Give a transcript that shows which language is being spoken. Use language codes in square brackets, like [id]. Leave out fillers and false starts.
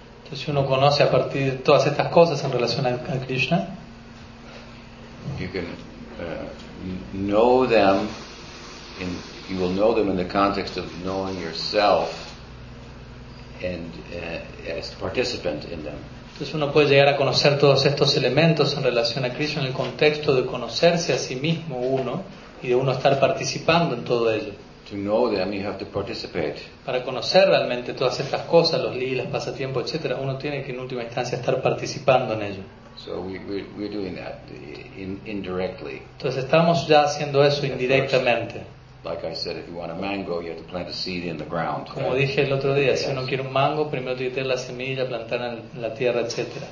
[es] Entonces, si uno conoce a partir de todas estas cosas en relación a Krishna, [en] you can know them, and you will know them in the context of knowing yourself and as participant in them. [es] Entonces, uno puede llegar a conocer todos estos elementos en relación a Krishna en el contexto de conocerse a sí mismo uno y de uno estar participando en todo ello. [en] To know them, you have to participate. [es] Para conocer realmente todas estas cosas, los lilas, pasatiempos, etc., uno tiene que en última instancia estar participando en ello. [en] So we're doing that indirectly. [es] Entonces estamos ya haciendo eso indirectamente. [en] Like I said, if you want a mango, you have to plant a seed in the ground. [es] Como dije el otro día, si uno quiere un mango, primero tiene que tener la semilla, plantarla en la tierra, etc.